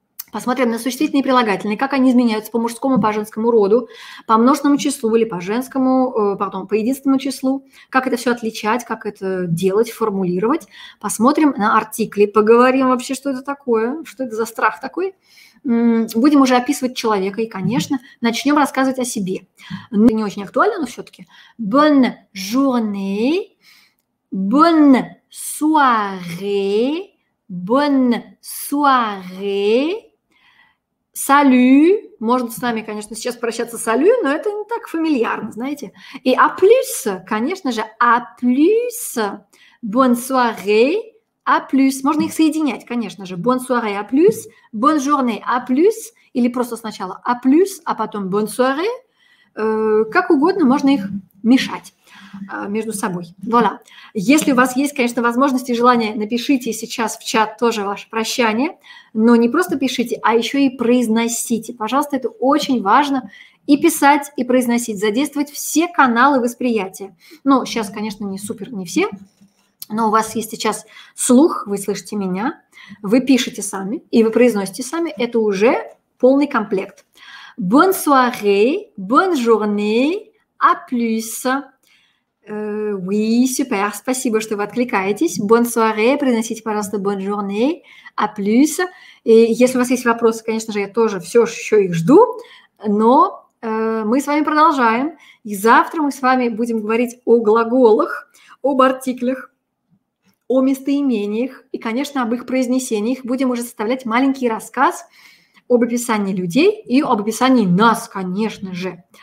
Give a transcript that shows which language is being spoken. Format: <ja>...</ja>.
<ru>Посмотрим на существительные и прилагательные, как они изменяются по мужскому, по женскому роду, по множественному числу или по женскому, потом по единственному числу, как это все отличать, как это делать, формулировать. Посмотрим на артикли, поговорим вообще, что это такое, что это за страх такой. Будем уже описывать человека и, конечно, начнем рассказывать о себе. Это не очень актуально, но все-таки.</ru> <fr>Bonne journée, bonne soirée, bonne soirée.</fr> <ru>Салю, можно с нами, конечно, сейчас прощаться салю, но это не так фамильярно, знаете. И а плюс, конечно же, а плюс, бонсуаре, а плюс. Можно их соединять, конечно же, бонсуаре, а плюс, бонжурне, а плюс, или просто сначала а плюс, а потом бонсуаре. Как угодно можно их мешать между собой.</ru> <fr>Voilà.</fr> <ru>Если у вас есть, конечно, возможности и желания, напишите сейчас в чат тоже ваше прощание. Но не просто пишите, а еще и произносите. Пожалуйста, это очень важно. И писать, и произносить. Задействовать все каналы восприятия. Сейчас, конечно, не супер, не все. Но у вас есть сейчас слух, вы слышите меня. Вы пишете сами, и вы произносите сами. Это уже полный комплект.</ru> <fr>Bonne soirée, bonne journée, à plus. Oui, super,</fr> <ru>спасибо, что вы откликаетесь.</ru> <fr>Bonne soirée,</fr> <ru>произносите, пожалуйста,</ru> <fr>bonne journée, à plus.</fr> <ru>И если у вас есть вопросы, конечно же, я тоже все еще их жду, но мы с вами продолжаем. И завтра мы с вами будем говорить о глаголах, об артиклях, о местоимениях и, конечно, об их произнесениях. Будем уже составлять маленький рассказ об описании людей и об описании нас, конечно же.</ru>